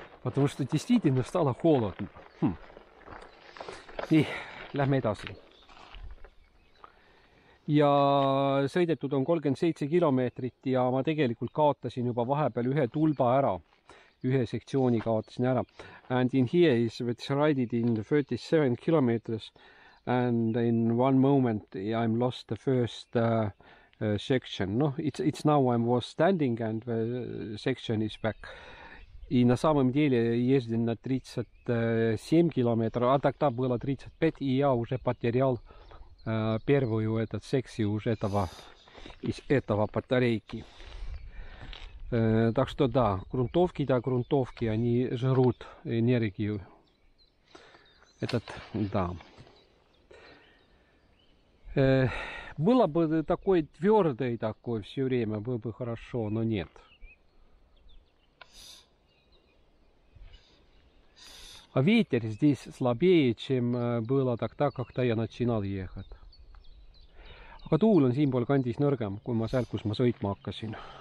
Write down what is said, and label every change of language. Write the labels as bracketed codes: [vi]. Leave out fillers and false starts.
[ru] Потому что действительно стало холодно. [et] И лähme edasi. Ja sõidetud on 37 kilomeetrit ja ma tegelikult kaotasin juba vahepeal ühe tulba ära. Ühe sektsiooni kaotasin ära. [en] And in here is which rided in 37 kilometers and in one moment I'm lost the first section. No, it's now I was standing and the section is back. [ru] И на самом деле ездил на 37 километров, а тогда было 35, и я уже потерял первую этот секцию уже этого из этого батарейки. Так что да, грунтовки, да, грунтовки, они жрут энергию. Этот, да. Было бы такой твердый такой все время, было бы хорошо, но нет. А ветер здесь слабее, чем было тогда, когда я начинал ехать. [et] Aga tuul on siinpool kandis nõrgem, kui ma seal, kus ma sõitma hakkasin.